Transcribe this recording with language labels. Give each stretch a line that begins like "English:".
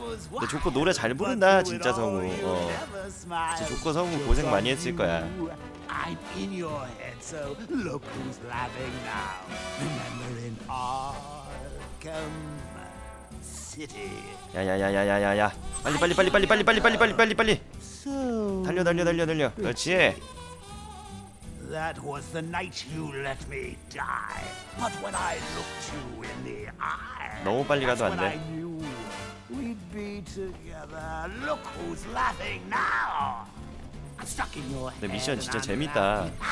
Korean: 근데 조커 노래 잘 부른다, 진짜 성우. 어. 진짜 조커 성우 고생 많이 했을 거야.
English: I'm in your head, so look who's laughing now. Remember in Arkham City.
Korean: 야야야야야야야. 빨리 빨리 빨리 빨리 빨리 빨리 빨리 빨리 빨리 빨리. 달려 달려 달려 달려. 그렇지.
English: That was the night you let me die. But when I looked you in the eye.
Korean: 너무 빨리 가도 안 돼.
English: We'd be together. Look who's laughing now.
Korean: 근데 미션 진짜 재밌다.